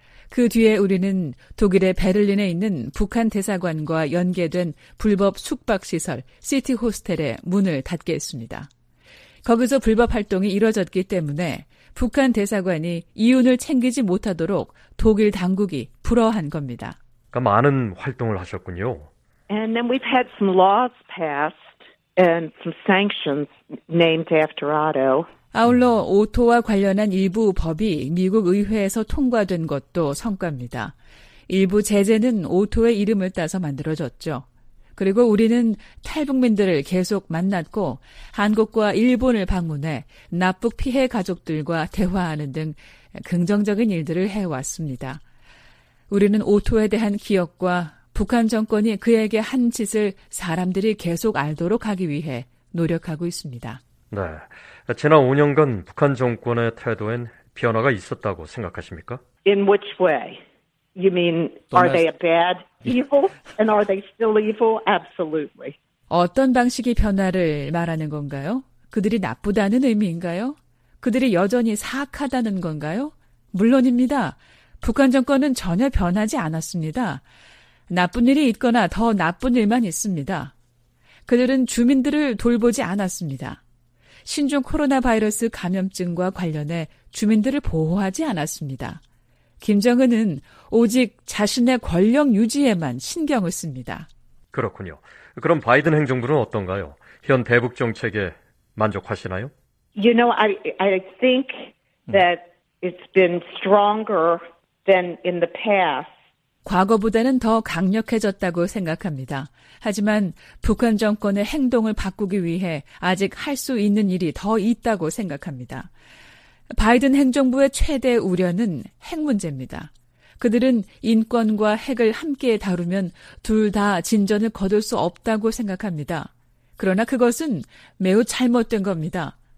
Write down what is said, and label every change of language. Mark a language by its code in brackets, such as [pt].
[ko] 그 뒤에 우리는 독일의 베를린에 있는 북한 대사관과 연계된 불법 숙박시설 시티 호스텔의 문을 닫게 했습니다. 거기서 불법 활동이 이뤄졌기 때문에 북한 대사관이 이윤을 챙기지 못하도록 독일 당국이 불허한 겁니다. 그러니까 많은 활동을 하셨군요. [en] And then we've had some laws passed and some sanctions named after Otto. [ko] 아울러 오토와 관련한 일부 법이 미국 의회에서 통과된 것도 성과입니다. 일부 제재는 오토의 이름을 따서 만들어졌죠. 그리고 우리는 탈북민들을 계속 만났고 한국과 일본을 방문해 납북 피해 가족들과 대화하는 등 긍정적인 일들을 해왔습니다. 우리는 오토에 대한 기억과 북한 정권이 그에게 한 짓을 사람들이 계속 알도록 하기 위해 노력하고 있습니다. 네. 지난 5년간 북한 정권의 태도엔 변화가 있었다고 생각하십니까? [en] In which way? You mean are they a bad evil and are they still evil? Absolutely. [ko] 어떤 방식이 변화를 말하는 건가요? 그들이 나쁘다는 의미인가요? 그들이 여전히 사악하다는 건가요? 물론입니다. 북한 정권은 전혀 변하지 않았습니다. 나쁜 일이 있거나 더 나쁜 일만 있습니다. 그들은 주민들을 돌보지 않았습니다. 신종 코로나 바이러스 감염증과 관련해 주민들을 보호하지 않았습니다. 김정은은 오직 자신의 권력 유지에만 신경을 씁니다. 그렇군요. 그럼 바이든 행정부는 어떤가요? 현 대북 정책에 만족하시나요? [en] You know, I think that it's been stronger than in the past. [ko] 과거보다는 더 강력해졌다고 생각합니다. 하지만 북한 정권의 행동을 바꾸기 위해 아직 할 수 있는 일이 더 있다고 생각합니다. 바이든 행정부의 최대 우려는 핵 문제입니다. 그들은 인권과 핵을 함께 다루면 둘 다 진전을 거둘 수 없다고 생각합니다. 그러나 그것은 매우 잘못된 겁니다.